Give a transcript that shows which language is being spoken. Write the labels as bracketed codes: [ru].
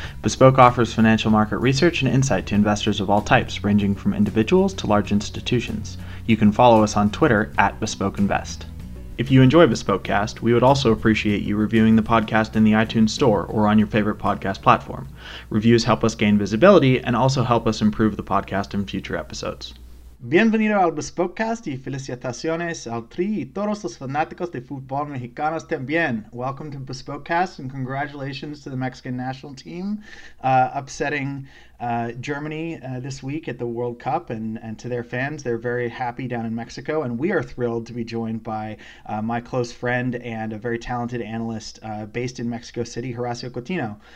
[en] Bespoke offers financial market research and insight to investors of all types, ranging from individuals to large institutions. You can follow us on Twitter at @BespokeInvest. If you enjoy Bespokecast, we would also appreciate you reviewing the podcast in the iTunes store or on your favorite podcast platform. Reviews help us gain visibility and also help us improve the podcast in future episodes. [es] Bienvenido al Bespokecast y felicitaciones al Tri y todos los fanáticos de fútbol mexicanos también. [en] Welcome to Bespokecast and congratulations to the Mexican national team upsetting Germany this week at the World Cup, and to their fans. They're very happy down in Mexico, and we are thrilled to be joined by my close friend and a very talented analyst based in Mexico City, Horacio Coutino.